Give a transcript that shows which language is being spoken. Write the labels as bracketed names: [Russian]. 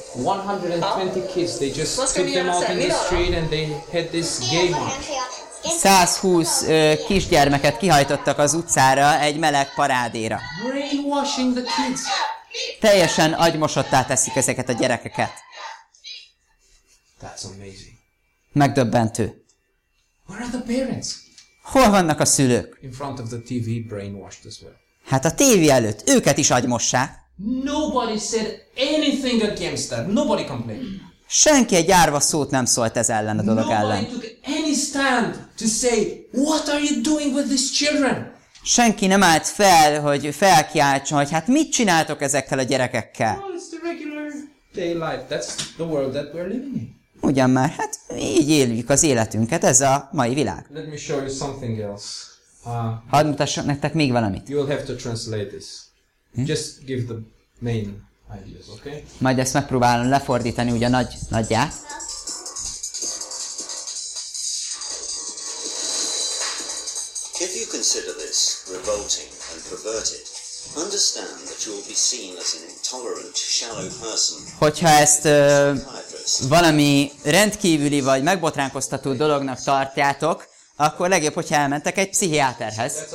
[English] 120 kids, they just took them out in the street and they had this gay march. [Hungarian] 120 kisgyermeket kihajtottak az utcára egy meleg parádéra. [English] Brainwashing the kids. [Hungarian] Teljesen agymosottá teszik ezeket a gyerekeket. [English] That's amazing. [Hungarian] Megdöbbentő. [English] Where are the parents? [Hungarian] Hol vannak a szülők? [English] In front of the TV brainwashed as well. [Hungarian] Hát a tévé előtt, őket is agymossák. [English] Nobody said anything against that. Nobody complained. [Hungarian] Senki egy árva szót nem szólt ez ellen a dolog ellen. [English] Nobody took any stand to say, what are you doing with these children? [Hungarian] Senki nem állt fel, hogy felkiáltsa, hogy hát mit csináltok ezekkel a gyerekekkel? [English] Well, it's the regular day life. That's the world that we're living in. [Hungarian] Ugyan már, hát így éljük az életünket, ez a mai világ. [English] Let me show you something else. [Hungarian] Hadd mutassak nektek még valamit. [English] You'll have to translate this. Just give the main ideas, okay? [Hungarian] Majd ezt megpróbálom lefordítani ugye nagyját. [English] If you consider this revolting and perverted, understand that you will be seen as an intolerant, shallow person. [Hungarian] Hogyha ezt valami rendkívüli vagy megbotránkoztató dolognak tartjátok, akkor legjobb, hogyha elmentek egy pszichiáterhez.